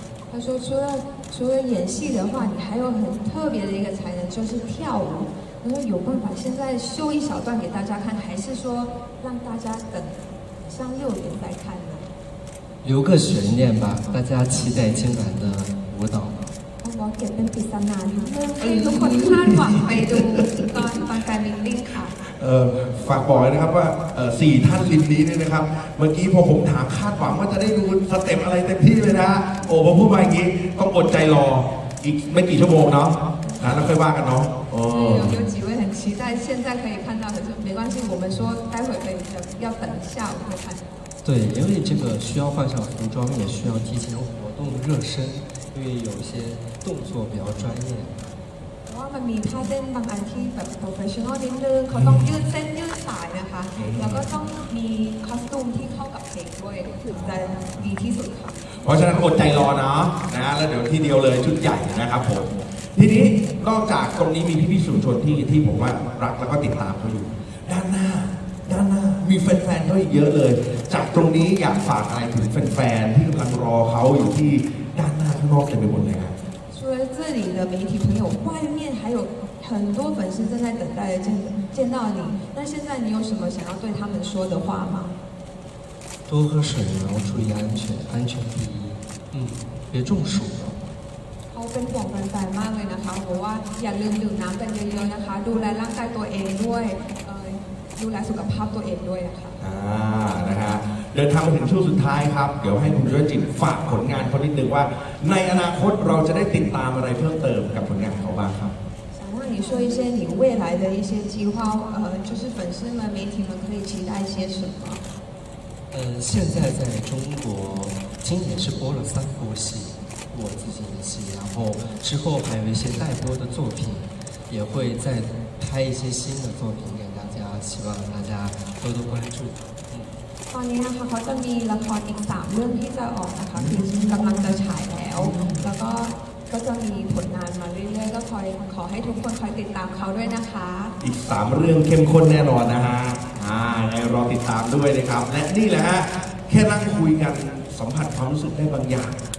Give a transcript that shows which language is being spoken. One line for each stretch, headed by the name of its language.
Chinese: 他说除了演戏的话你还有很特别的一个才能就是跳舞他说有办法现在秀一小段给大家看还是说让大家等像6年再看呢留个悬念吧大家期待今晚的舞蹈我
Thai: อเก็บเป็นปริศนาทุกคนคาดหวังไปดูตอนฟังการมิ่งลิ่งค่ะ ฝากบอกนะครับว่าสี่ท่านริมนี้เนี่ยนะครับเมื่อกี้พอผมถามคาดหวังว่าจะได้ดูสเต็ปอะไรเต็มที่เลยนะโอ้พอพูดมาอย่างนี้ต้องอดใจรออีกไม่กี่ชั่วโมงเนาะนะแล้วค่อยว่ากันเนาะ
Chinese: โอ้几位很期待现在可以看到，可是没关系，我们说待会可以要等下午再看。对，因为这个需要换上服装，也需要提前活动热身，因为有些动作比较专业。
Thai: ว่ามันมีท่าเต้นบางอันที่แบบ professional นิดนึงเขาต้องยืดเส้นยืดสายนะคะแล้วก็ต้องมีคอสตูมที่เข้ากับเพลงด้วยถึงจะดีที่สุดค่ะ เพราะฉะนั้นอดใจรอนะนะแล้วเดี๋ยวทีเดียวเลยชุดใหญ่นะครับผมทีนี้นอกจากตรงนี้มีพี่ๆสื่อชนที่ผมว่ารักแล้วก็ติดตามเขาอยู่ด้านหน้ามีแฟนๆด้วยเยอะเลยจากตรงนี้อยากฝากอะไรถึงแฟนๆที่กำลังรอเขาอยู่ที่ด้านหน้าข้างนอกเต็มไปหมดเลยครับ
Chinese: 除了这里的媒体朋友，外面还有很多粉丝正在等待见到你。那现在你有什么想要对他们说的话吗？多喝水，然后注意安全，安全第一。别中暑。
Thai: เป็นห่วงแฟนๆมากเลยนะคะเพราะว่าอย่าลืมดื่มน้ำกันเยอะๆนะคะดูแลร่างกายตัวเองด้วยดูแลสุขภาพตัวเองด้วยนะคะ นะฮะเดินทางมาถึงช่วงสุดท้ายครับเดี๋ยวให้คุณด้วยจิตฝากผลงานเขานิดนึงว่าในอนาคตเราจะได้ติดตามอะไรเพิ่มเติมกับผลงานเขาบ้างครับ
Chinese: 想问你说一些你未来的一些计划就是粉丝们媒体们可以期待一些什么现在在中国今年是播了三部戏我自己的戏，然后之后还有一些待播的作品，也会再拍一些新的作品给大家，希望大家多多关注。
Thai: ตอนนี้นะคะเขาจะมีละครอีก3เรื่องที่จะออกนะคะที่กำลังจะฉายแล้วแล้วก็จะมีผลงานมาเรื่อยๆก็ขอให้ทุกคนคอยติดตามเขาด้วยนะคะ อีก3เรื่องเข้มข้นแน่นอนนะฮะให้รอติดตามด้วยนะครับและนี่แหละฮะแค่นั่งคุยกันสัมผัสความรู้สึกได้บางอย่าง